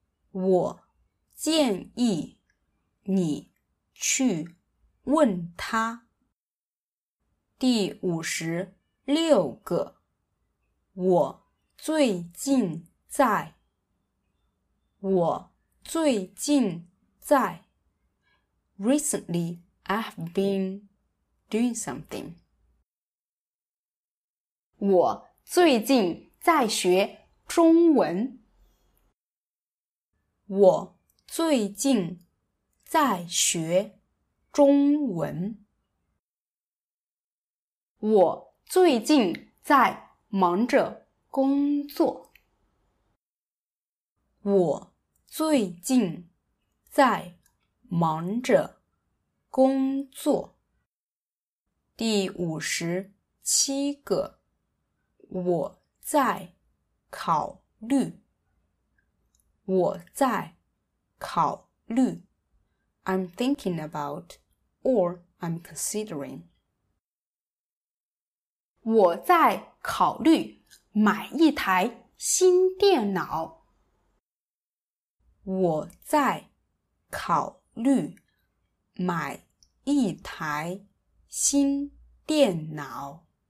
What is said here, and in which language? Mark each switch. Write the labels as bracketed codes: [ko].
[zh] 我建议你去问他。第五十六个，我最近在，我最近在。 [en] Recently, I've been doing something。 [zh] 我最近在学中文。我最近在学中文。我最近在忙着工作。我最近在忙着工作。第五十七个，我在考虑。我在考虑。 [en] I'm thinking about or I'm considering。 [zh] 我在考虑买一台新电脑。我在考虑买一台新电脑。